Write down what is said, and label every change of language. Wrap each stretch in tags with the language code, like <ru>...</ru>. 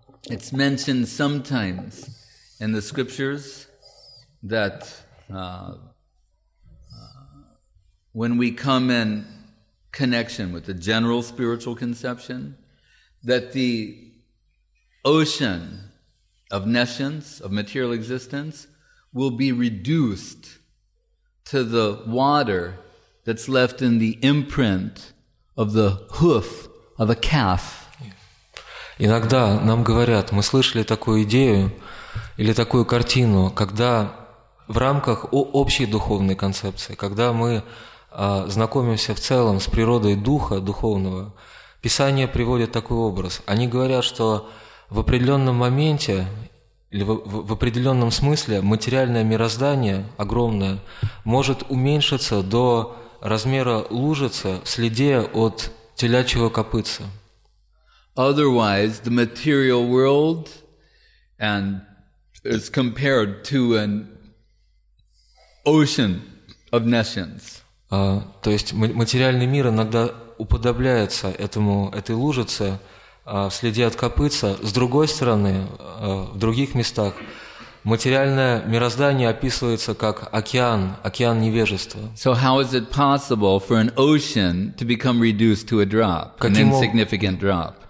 <en>It's mentioned sometimes in the scriptures that when we come in connection with the general spiritual conception, that the ocean of nescience, of material existence, will be reduced to the water that's left in the imprint of the hoof of a calf.</en> <ru>Иногда нам говорят, мы слышали такую идею или такую картину, когда в рамках общей духовной концепции, когда мы знакомимся в целом с природой духа духовного, Писание приводит такой образ. Они говорят, что в определенном моменте или в определенном смысле материальное мироздание огромное может уменьшиться до размера лужицы в следе от телячьего копытца.</ru> <en>Otherwise, the material world and is compared to an ocean of nescience.</en> <ru>То есть материальный мир иногда уподобляется этой лужице в следе от копытца. С другой стороны, в других местах материальное мироздание описывается как океан невежества.</ru> <en>So how is it possible for an ocean to become reduced to a drop, an insignificant drop?</en>